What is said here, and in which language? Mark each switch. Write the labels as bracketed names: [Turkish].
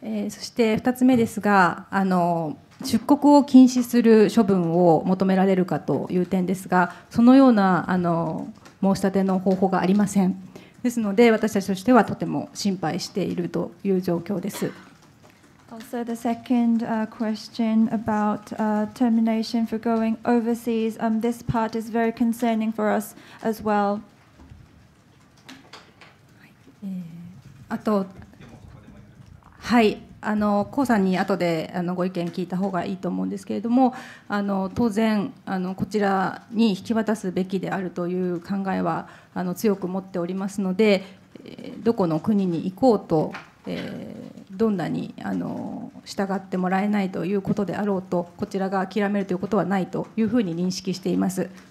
[Japanese] そして2つ目ですが、出国を禁止する処分を求められるかという点ですが、そのような申し立ての方法がありません。ですので、私たちとしてはとても心配しているという状況です。 [English] Also, the second question about termination for going overseas, this part is very concerning for us as well. [Japanese] あと、はい、江さんに後でご意見聞いた方がいいと思うんですけれども、当然こちらに引き渡すべきであるという考えは強く持っておりますので、どこの国に行こうと、どんなに従ってもらえないということであろうと、こちらが諦めるということはないというふうに認識しています。